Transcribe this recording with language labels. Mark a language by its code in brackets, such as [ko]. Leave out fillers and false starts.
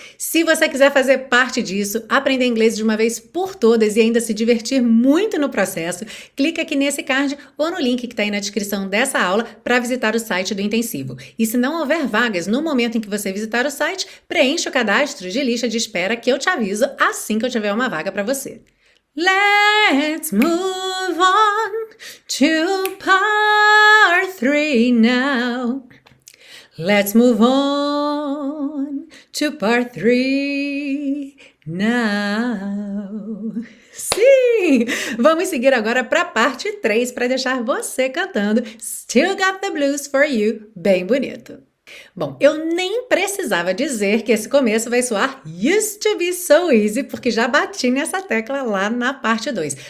[pt] Se você quiser fazer parte disso, aprender inglês de uma vez por todas e ainda se divertir muito no processo, clica aqui nesse card ou no link que está aí na descrição dessa aula para visitar o site do intensivo. E se não houver vagas no momento em que você visitar o site, preencha o cadastro de lista de espera que eu te aviso assim que eu tiver uma vaga para você. [en] Let's move on to part three now. Let's move on to part three now. [pt] Sim! Vamos seguir agora para parte 3 para deixar você cantando Still Got the Blues for You, bem bonito. Bom, eu nem precisava dizer que esse começo vai soar [en] Used to be so easy, [pt] porque já bati nessa tecla lá na parte 2.